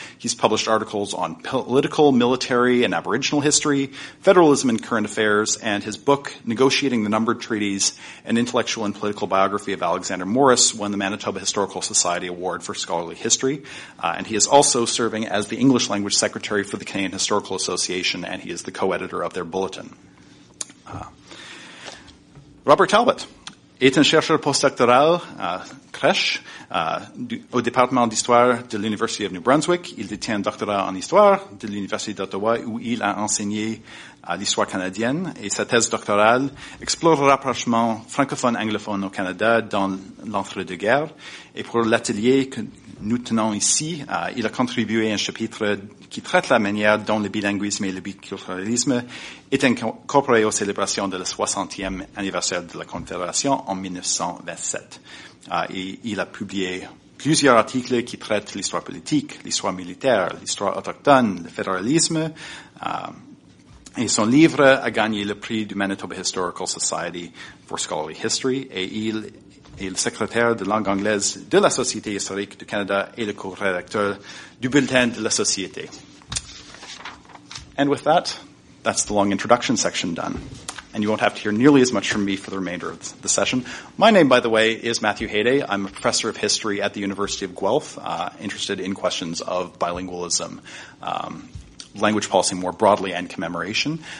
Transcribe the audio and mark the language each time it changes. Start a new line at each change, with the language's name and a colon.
English: He's published articles on political, military, and Aboriginal history, federalism and current affairs, and his book, Negotiating the Numbered Treaties, an intellectual and political biography of Alexander Morris, won the Manitoba Historical Society Award for Scholarly History. And he is also serving as the English Language Secretary for the Canadian Historical Association, and he is the co-editor of their bulletin.
French: Robert Talbot est un chercheur postdoctoral crèche au département d'histoire de l'Université de New Brunswick. Il détient un doctorat en histoire de l'Université d'Ottawa où il a enseigné l'histoire canadienne. Et sa thèse doctorale explore le rapprochement francophone-anglophone au Canada dans l'entre-deux-guerres. Et pour l'atelier que nous tenons ici, il a contribué un chapitre qui traite la manière dont le bilinguisme et le biculturalisme est incorporé aux célébrations de le 60e anniversaire de la Confédération en 1927. Et il a publié plusieurs articles qui traitent l'histoire politique, l'histoire militaire, l'histoire autochtone, le fédéralisme. Et son livre a gagné le prix du Manitoba Historical Society for Scholarly History, et il est le secrétaire de langue anglaise de la Société historique du Canada et le co-rédacteur du bulletin de la Société.
English: And with that, that's the long introduction section done. And you won't have to hear nearly as much from me for the remainder of the session. My name, by the way, is Matthew Hayday. I'm a professor of history at the University of Guelph, interested in questions of bilingualism, language policy more broadly, and commemoration.